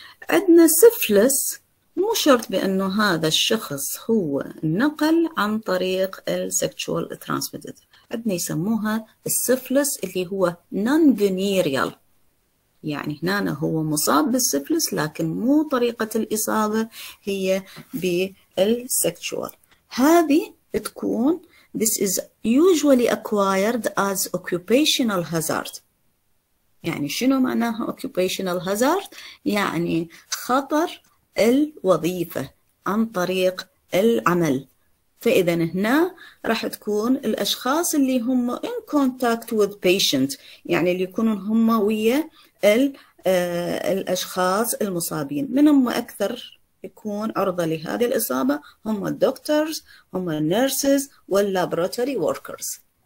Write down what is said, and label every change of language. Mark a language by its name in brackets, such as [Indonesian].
[Arabic] عندنا syphilis مو شرط بأنه هذا الشخص هو نقل عن طريق sexual transmitted، عندنا يسموها السفلس اللي هو نون فينيريال، يعني هنا هو مصاب بالسفلس لكن مو طريقة الإصابة هي بالسكشوال. هذه تكون [English] this is usually acquired as occupational hazard. [Arabic] يعني شنو معناها occupational hazard؟ يعني خطر الوظيفة عن طريق العمل. فإذا هنا راح تكون الأشخاص اللي هم [English] in contact with patient، [Arabic] يعني اللي يكونون هم ويا الأشخاص المصابين، من هم أكثر يكون عرضة لهذه الإصابة؟ هم الدكتورز، هم النيرسز واللابراتوري وركرز.